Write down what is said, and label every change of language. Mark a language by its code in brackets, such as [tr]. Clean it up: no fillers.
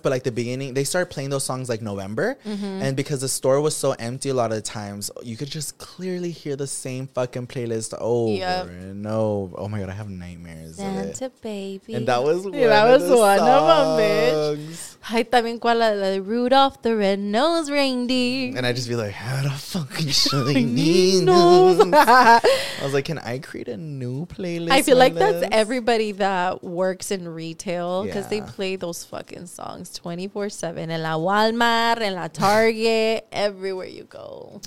[en] But, like, the beginning, they started playing those songs, like, November. Mm-hmm. And because the store was so empty a lot of the times, you could just clearly hear the same fucking playlist over and over. Oh, my God, I have nightmares. Santa Baby. And that was one of the songs. [es] Ay, también cual la de Rudolph the Red-Nosed Reindeer. [en] And I'd just be like, how the fucking shiny. I was like, can I create a new playlist? I feel like that's everybody that works in retail because they play those fucking songs 24/7 in la Walmart, in la Target, everywhere you go.